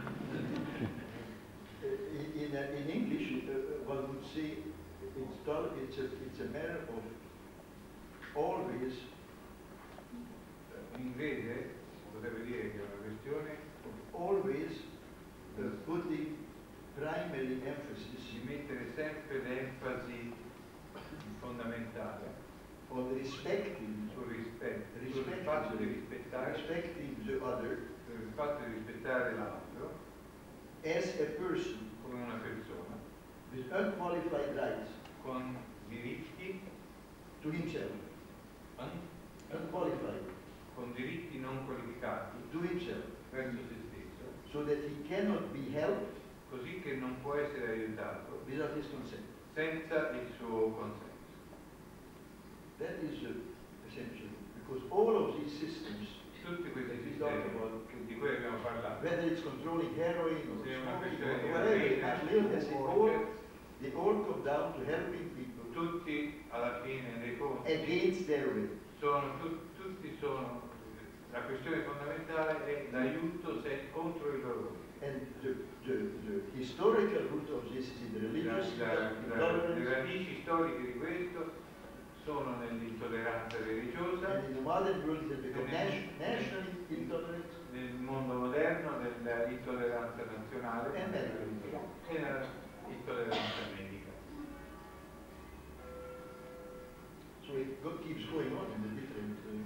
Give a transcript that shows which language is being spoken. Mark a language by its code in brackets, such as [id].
[en] In English, one would say it's a matter of always. [it] In inglese potrebbe dire che è una questione [en] of always putting primary emphasis, [it] di mettere sempre l'enfasi fondamentale [en] on respecting, [it] sul fatto di rispettare l'altro [en] as a person, [it] con una persona, [en] with unqualified rights, [it] con diritti, [en] to himself, [it] unqualified, con diritti non qualificati, [en] to himself, [it] verso se stesso, [en] so that he cannot be helped, [it] così che non può essere aiutato, [en] without his consent, [it] senza il suo consenso. [en] That is essential, because all of these systems, [it] tutti questi sistemi di cui abbiamo parlato, [en] whether it's controlling heroin or they all come down to helping people, [it] tutti alla fine dei conti [en] against their will, [it] sono tutti la questione fondamentale è l'aiuto contro il loro will. [en] And the historical root of this is in the religious, [it] le radici storiche di questo sono nell'intolleranza religiosa, nel mondo moderno nell'intolleranza nazionale e nell'intolleranza medica. [en] So it keeps going on in the different,